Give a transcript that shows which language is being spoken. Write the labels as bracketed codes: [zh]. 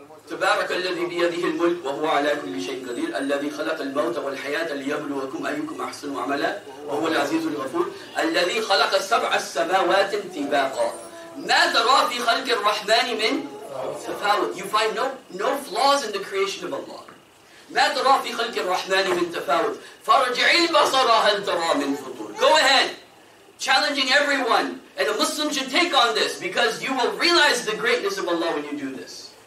[ar] تبارك الذي بيده الملك وهو على كل شيء قدير الذي خلق الموت والحياة ليبلوكم أيكم أحسن عملا وهو العزيز الغفور الذي خلق سبع السماوات طباقا ما ترى في خلق الرحمن من تفاوت. [en] You find no flaws in the creation of Allah. [ar] ما ترى في خلق الرحمن من تفاوت فارجع البصر هل ترى من فطور. [en] Go ahead, challenging everyone, and a Muslim should take on this because you will realize the greatness of Allah when you do this.